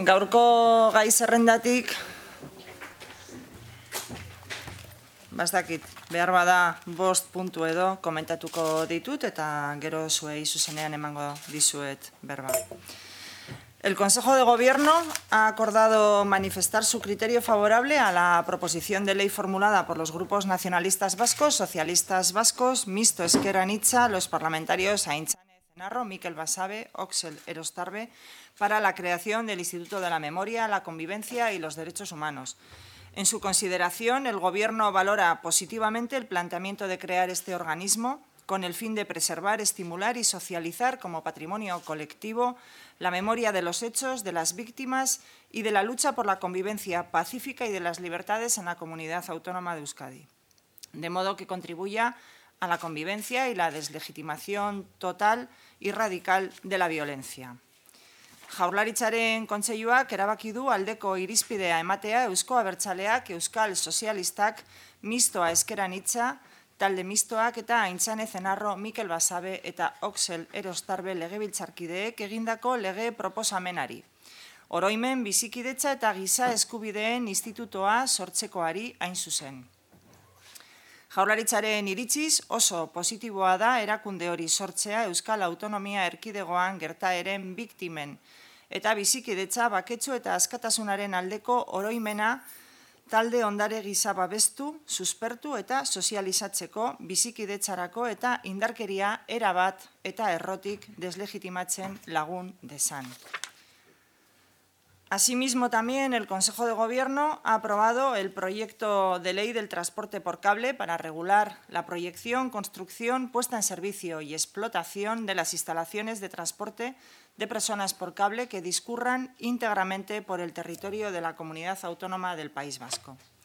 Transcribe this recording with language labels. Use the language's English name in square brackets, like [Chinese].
[Basque] gaurko gai zerrendatik bazdakit, behar bada bost puntu edo komentatuko ditut eta gero zuei zuzenean emango dizuet berba. [Spanish] El Consejo de Gobierno ha acordado manifestar su criterio favorable a la proposición de ley formulada por los grupos nacionalistas vascos, socialistas vascos, Mixto Ezker Anitza, los parlamentarios Aintzane Ezenarro, Mikel Basabe, Oxel Erostarbe, para la creación del Instituto de la Memoria, la Convivencia y los Derechos Humanos. En su consideración, el Gobierno valora positivamente el planteamiento de crear este organismo con el fin de preservar, estimular y socializar como patrimonio colectivo la memoria de los hechos, de las víctimas y de la lucha por la convivencia pacífica y de las libertades en la comunidad autónoma de Euskadi, de modo que contribuya a la convivencia y la deslegitimación total y radical de la violencia. [Basque] Jaurlaritzaren kontseiluak erabaki du aldeko irizpidea ematea Eusko Abertzaleak, Euskal Sozialistak, Mistoa Ezker Anitza, Talde Mistoak eta Aintzane Ezenarro, Mikel Basabe eta Oxel Erostarbe legebiltzarkideek egindako lege proposamenari. Oroimen bizikidetza eta giza eskubideen institutoa sortzekoari hain zuzen. Jaurlaritzaren iritziz oso positiboa da erakunde hori sortzea Euskal Autonomia Erkidegoan gertaeren biktimen eta bizikidetza baketsu eta askatasunaren aldeko oroimena talde ondare gisa babestu, suspertu eta sozializatzeko bizikidetzarako eta indarkeria erabat eta errotik deslegitimatzen lagun dezan. [Spanish] Asimismo, también el Consejo de Gobierno ha aprobado el proyecto de ley del transporte por cable para regular la proyección, construcción, puesta en servicio y explotación de las instalaciones de transporte de personas por cable que discurran íntegramente por el territorio de la Comunidad Autónoma del País Vasco.